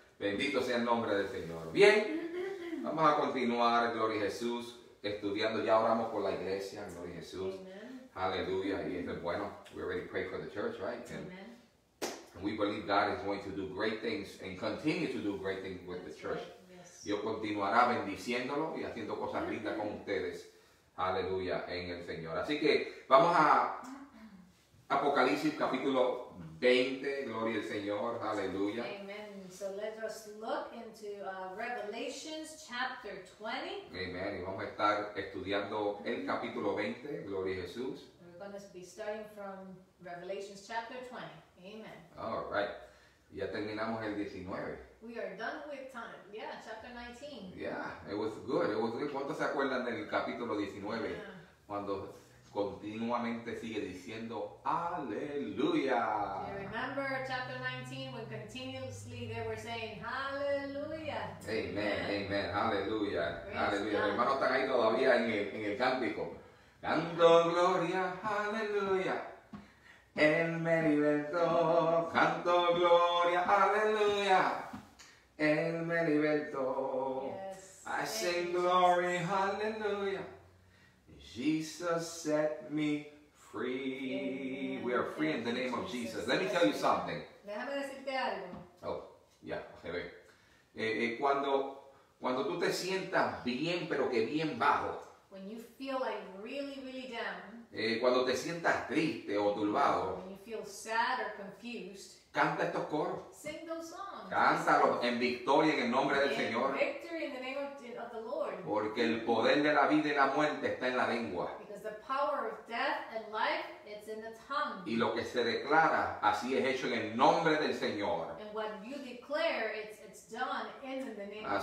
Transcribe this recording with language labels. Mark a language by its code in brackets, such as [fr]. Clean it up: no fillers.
[es] Bendito sea el nombre del Señor. Bien, vamos a continuar, gloria a Jesús, estudiando. Ya oramos por la iglesia, gloria a Jesús. Hallelujah. Y esto es bueno. [en] We already prayed for the church, right? Amen. And we believe God is going to do great things and continue to do great things with the church. Right. [es] Dios continuará bendiciéndolo y haciendo cosas lindas con ustedes. Aleluya, en el Señor. Así que vamos a Apocalipsis capítulo 20. Gloria al Señor. Aleluya. [en] Amen. So let us look into Revelations chapter 20. [es] Amen. Y vamos a estar estudiando el capítulo 20. Gloria a Jesús. [en] We're going to be starting from Revelations chapter 20. Amen. All right. [es] Ya terminamos el 19. [en] We are done with time. Yeah, chapter 19. Yeah, it was good. It was good. [es] ¿Cuántos se acuerdan del capítulo 19? [en] Yeah. [es] Cuando continuamente sigue diciendo, aleluya. [en] Do you remember chapter 19 when continuously they were saying, aleluya? [es] Amen, amen, aleluya. Aleluya. Los hermanos están ahí todavía en el cántico. Canto gloria, aleluya. Él me libertó. Canto gloria, aleluya. Él me libertó. [en] Yes. I sing glory, hallelujah. Jesus set me free. Amen. We are free in the name of Jesus. Let me tell you something. [es] Déjame decirte algo. Oh, ya, se ve. Cuando tú te sientas bien, pero que bien bajo. [en] When you feel like really, really down. [es] Cuando te sientas triste o turbado. [en] When you feel sad or confused. [es] Canta estos coros. [en] Sing those songs. [es] Cántalos en victoria en el nombre del Señor. [en] Victory in the name of the Lord. [es] Porque el poder de la vida y la muerte está en la lengua. [en] Because the power of death and life, it's in the tongue. [es] Y lo que se declara, así es hecho en el nombre del Señor. [en] And what you declare, it's done in the name of the Lord.